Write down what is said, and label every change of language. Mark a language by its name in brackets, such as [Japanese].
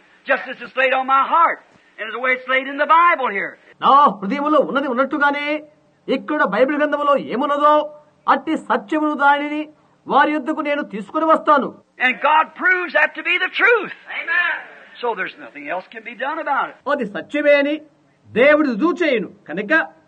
[English] Just as it's laid on my heart and as the way it's laid in the Bible here. [Telugu] నా హృదయములో ఉన్నది ఉన్నట్టుగానే ఇక్కడ Bible గ్రంథములో ఏమున్నదో అట్టి సత్యమును దానిని వారి యొద్దకు నేను తీసుకుని వస్తాను. [English] And God proves that to be the truth. Amen. So there's nothing else can be done about it. [Telugu] అది సత్యమే అని దేవుడు రుజువు చేయను, కనుక